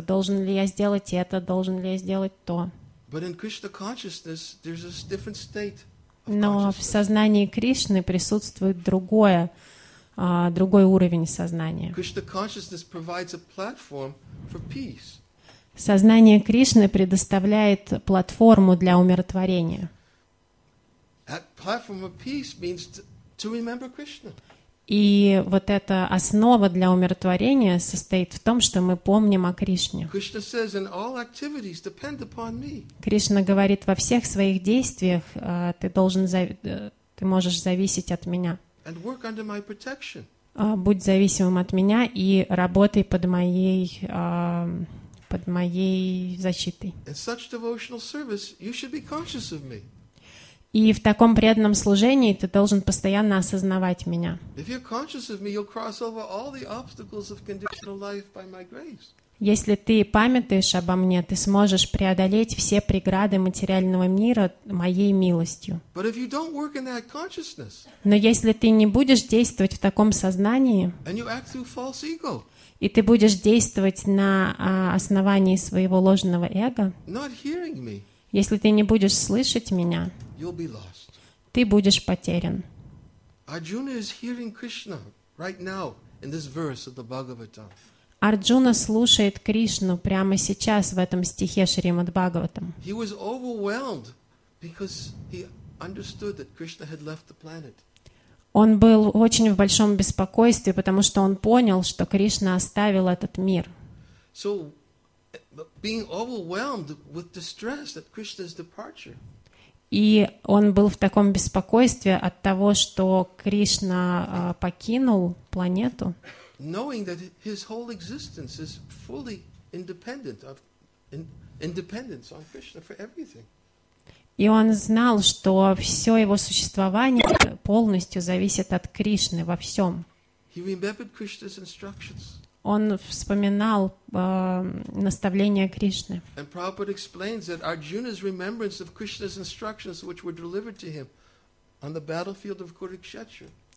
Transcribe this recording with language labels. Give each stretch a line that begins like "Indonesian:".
Russian: Должен ли я сделать это, должен ли я сделать то. Но в сознании Кришны присутствует другой уровень сознания. Кришна сознание предоставляет платформу
English: for peace.
Russian: Сознание Кришны предоставляет платформу для умиротворения.
English: That platform of peace means to remember Krishna.
Russian: И вот эта основа для умиротворения состоит в том, что мы помним о Кришне.
English: Krishna says, in all activities depend upon me.
Russian: Кришна говорит, во всех своих действиях ты можешь зависеть от меня.
English: And work under my protection.
Russian: Будь зависимым от меня и работай под моей защитой.
English: In such devotional service, you should be conscious of me.
Russian: И в таком преданном служении ты должен постоянно осознавать меня.
English: If you're conscious of me, you'll cross over all the obstacles of conditional life by my grace.
Russian: Если ты памятуешь обо мне, ты сможешь преодолеть все преграды материального мира моей милостью.
English: But if you don't work in that consciousness,
Russian: но если ты не будешь действовать в таком сознании,
English: and you act through false ego,
Russian: и ты будешь действовать на основании своего ложного эго,
English: not hearing me,
Russian: если ты не будешь слышать меня,
English: you'll be lost.
Russian: Ты будешь потерян.
English: Arjuna is hearing Krishna right now in this verse of the Bhagavatam.
Russian: Арджуна слушает Кришну прямо сейчас в этом стихе Шримад Бхагаватам.
English: He was overwhelmed because he understood that Krishna had left the planet.
Russian: Он был очень в большом беспокойстве, потому что он понял, что Кришна оставил этот мир.
English: So, being overwhelmed with distress at Krishna's departure.
Russian: И он был в таком беспокойстве от того, что Кришна покинул планету.
English: Knowing that his whole existence is fully independent of independence on Krishna for everything.
Russian: И он знал, что все его существование полностью зависит от Кришны во всем.
English: He remembered Krishna's instructions.
Russian: Он вспоминал наставления Кришны.
English: And Prabhupada explains that Arjuna's remembrance of Krishna's instructions, which were delivered to him on the battlefield of Kurukshetra.